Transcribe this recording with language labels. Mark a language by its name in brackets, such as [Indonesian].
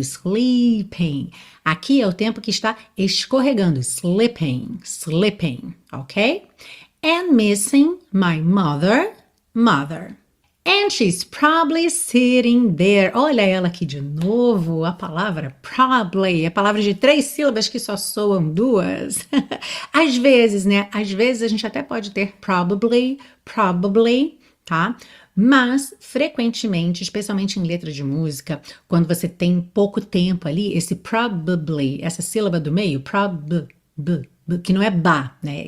[Portuguese] Sleeping. Aqui é o tempo que está escorregando. [English] Slipping, slipping, ok? And missing my mother, mother. And she's probably sitting there. [Portuguese] Olha ela aqui de novo, a palavra probably, a palavra de três sílabas que só soam duas. Às vezes, né? Às vezes a gente até pode ter probably, probably, tá? Mas frequentemente, especialmente em letra de música, quando você tem pouco tempo ali, esse probably, essa sílaba do meio, prob, b, que não é ba, né?